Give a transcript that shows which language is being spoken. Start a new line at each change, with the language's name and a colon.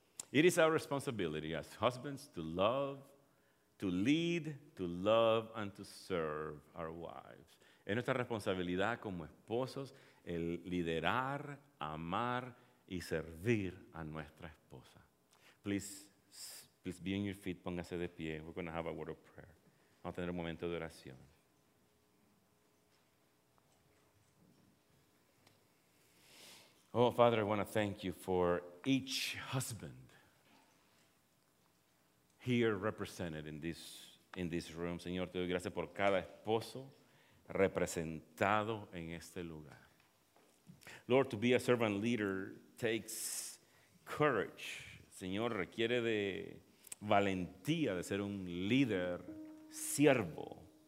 English: It is our responsibility as husbands to love, to lead, to love, and to serve our wives.
Spanish: Es nuestra responsabilidad como esposos el liderar, amar, y servir a nuestra esposa.
English: Please be on your feet,
Spanish: póngase de pie.
English: We're going to have a word of prayer.
Spanish: Vamos a tener un momento de oración.
English: Oh, Father, I want to thank you for each husband here represented in this room.
Spanish: Señor, te doy gracias por cada esposo representado en este lugar.
English: Lord, to be a servant leader takes courage.
Spanish: Señor, requiere de valentía de ser un líder siervo.